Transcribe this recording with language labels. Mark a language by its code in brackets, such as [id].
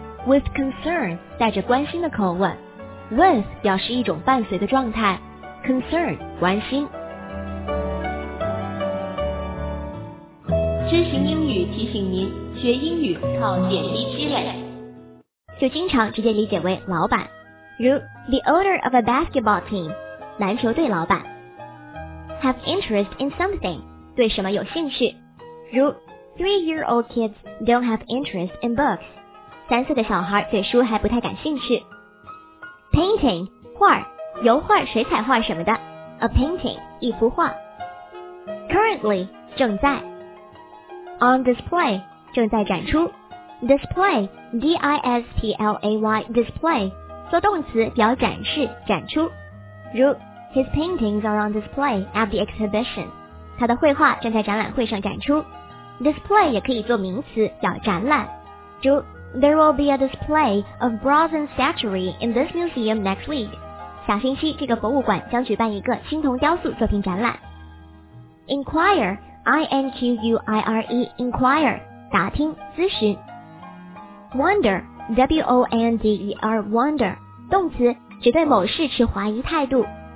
[en] With concern, [zh] 带着关心的口吻。With, 表示一种伴随的状态。 Concern, 关心。知行英语提醒您，学英语靠点滴积累。就经常直接理解为老板。 [en] 如 The owner of a basketball team, [zh] 篮球队老板。 [en] Have interest in something, [zh] 对什么有兴趣。 [en] 如 3-year-old kids don't have interest in books, [zh] 三岁的小孩对书还不太感兴趣。 Painting, 画，油画、水彩画什么的。 [en] A painting, [zh] 一幅画。 Currently, 正在。 [en] On display, [zh] 正在展出。 [en] Display, D-I-S-P-L-A-Y, display. [zh] 做动词表展示、展出。 [en] 如 His paintings are on display at the exhibition. [zh] 他的绘画正在展览会上展出。 Display 也可以做名词表展览。 [en] 如 There will be a display of bronze statuary in this museum next week. [zh] 下星期这个博物馆将举办一个青铜雕塑作品展览。 [en] Inquire, I-N-Q-U-I-R-E, inquire, [zh] 打听、咨询。 Wonder,W-O-N-D-E-R, wonder, 动词指对某事持怀疑态度。